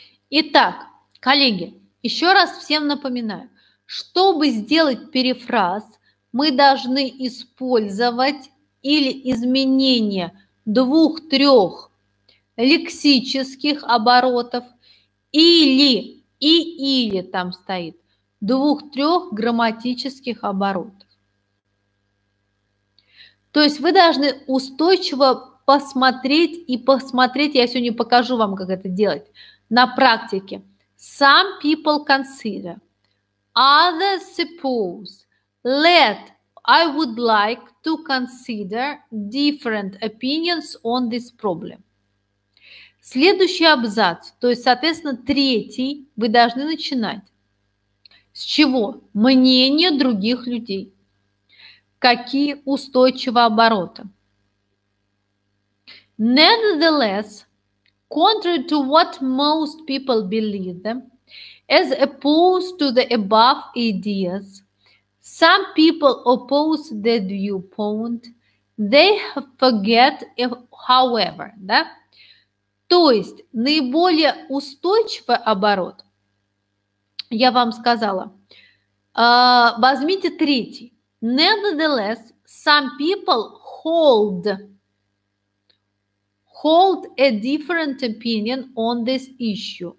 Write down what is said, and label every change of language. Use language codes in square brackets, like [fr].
[ru] Итак, коллеги, еще раз всем напоминаю, чтобы сделать перефраз, мы должны использовать или изменение двух-трех лексических оборотов, или и-или там стоит, двух-трех грамматических оборотов. То есть вы должны устойчиво посмотреть, я сегодня покажу вам, как это делать, на практике. [en] Some people consider, others suppose, let, I would like to consider different opinions on this problem. [ru] Следующий абзац, то есть, соответственно, третий, вы должны начинать. С чего? Мнение других людей. Какие устойчивые обороты? [en] Nevertheless, contrary to what most people believe, as opposed to the above ideas, some people oppose the viewpoint, they forget, if, however, [ru] да? То есть наиболее устойчивый оборот, я вам сказала, возьмите третий. Nevertheless, [en] Some people hold a different opinion on this issue.